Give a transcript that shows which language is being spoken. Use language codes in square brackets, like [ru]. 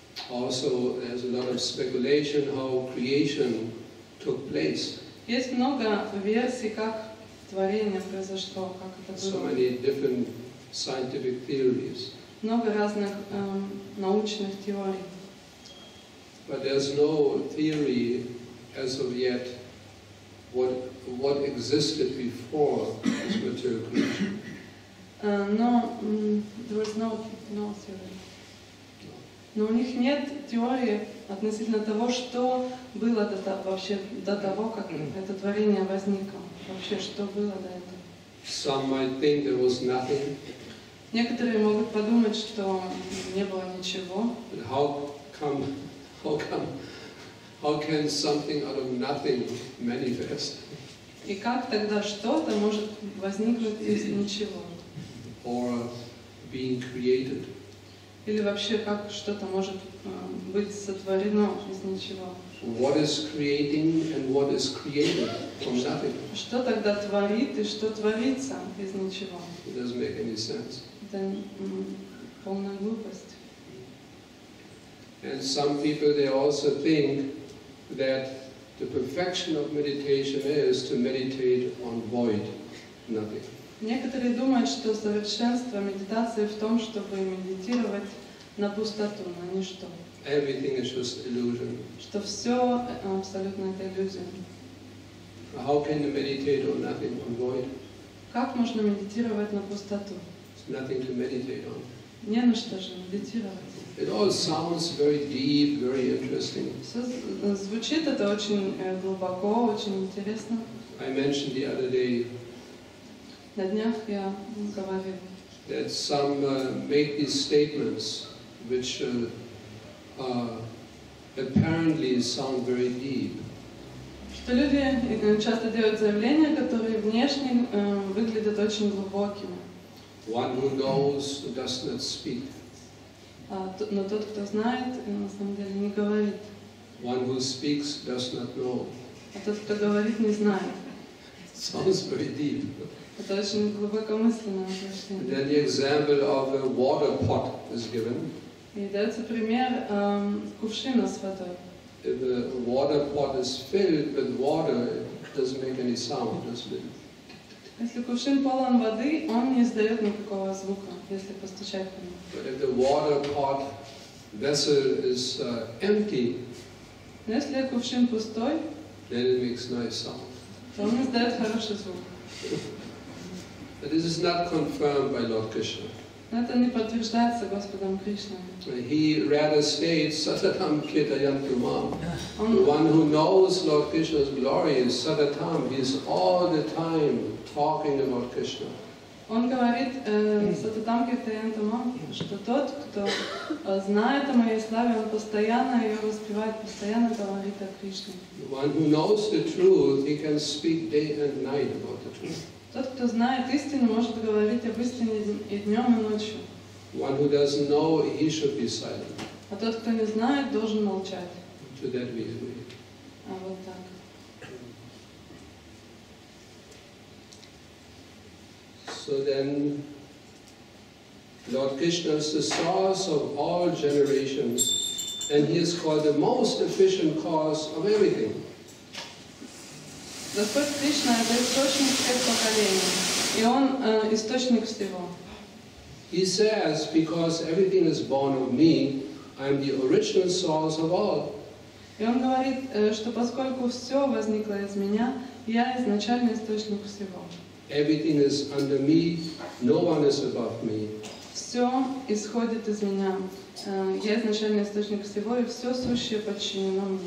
[en] Also, there's a lot of speculation how creation took place. [ru] Есть много версий, как творение произошло, как это было. [en] So many different scientific theories. [ru] Много разных научных теорий. [en] But there's no theory as of yet what existed before this material creation. No theory. [ru] Но у них нет теории относительно того, что было до того, вообще до того, как это творение возникло. Вообще, что было до этого. [en] Some might think there was nothing. [ru] Некоторые могут подумать, что не было ничего. [en] But how can something out of nothing manifest? [ru] И как тогда что-то может возникнуть из ничего? [en] Or being created. [ru] Или вообще, как что-то может быть сотворено из ничего? [en] What is creating and what is created from nothing? [ru] Что тогда творит и что творится из ничего? [en] It doesn't make any sense. [ru] Это полная глупость. [en] And some people, they also think that The perfection of meditation is to meditate on void, nothing. [ru] Некоторые думают, что совершенство медитации в том, чтобы медитировать на пустоту, на ничто. [en] Everything is just illusion. [ru] Что все абсолютно это иллюзия. [en] How can you meditate on nothing, on void? [ru] Как можно медитировать на пустоту? [en] Nothing to meditate on. [ru] Не на что же медитировать. [en] It all sounds very deep, very interesting. [ru] Все звучит это очень глубоко, очень интересно. [en] I mentioned the other day. [ru] На днях я говорил. [en] That some make these statements, which apparently sound very deep. [ru] Что люди часто делают заявления, которые внешне выглядят очень глубокими. [en] One who knows does not speak. [ru] Но тот, кто знает, на самом деле не говорит. [en] One who speaks does not know. [ru] А тот, кто говорит, не знает. [en] Sounds very deep. [ru] Это очень глубокомысленное утверждение. [en] Then the example of a water pot is given. [ru] И дается пример кувшина с водой. [en] If the water pot is filled with water, it doesn't make any sound, does it? [ru] Если кувшин полон воды, он не издает никакого звука, если постучать по нему. [en] But if the water pot vessel is empty, [ru] если кувшин пустой, [en] then it makes nice sound. [ru] То он издает хороший звук. [en] But this is not confirmed by Lord Krishna. [ru] Это не подтверждается Господом Кришной. [en] He rather states [sa] Satatam Ketayam Tumam. [en] The one who knows Lord Krishna's glory is Satatam. He is all the time talking about Krishna. [ru] Он говорит [sa] Satatam Ketayam Tumam, [ru] что тот, кто знает о моей славе, он постоянно ее воспевает, постоянно говорит о Кришне. [en] The one who knows the truth, he can speak day and night about the truth. [ru] Тот, кто знает истину, может говорить об истине и днем, и ночью. [en] One who doesn't know, he should be silent. [ru] А тот, кто не знает, должен молчать. [en] To that we agree. [ru] А вот так. [en] So then, Lord Krishna is the source of all generations, and he is called the most efficient cause of everything. [ru] Господь Кришна – это источник всех поколений, и Он источник всего. [en] He says, because everything is born of me, I am the original source of all. [ru] И Он говорит, что поскольку все возникло из меня, я изначальный источник всего. [en] Everything is under me, no one is above me. [ru] Все исходит из меня. Я изначальный источник всего, и все сущее подчинено мне.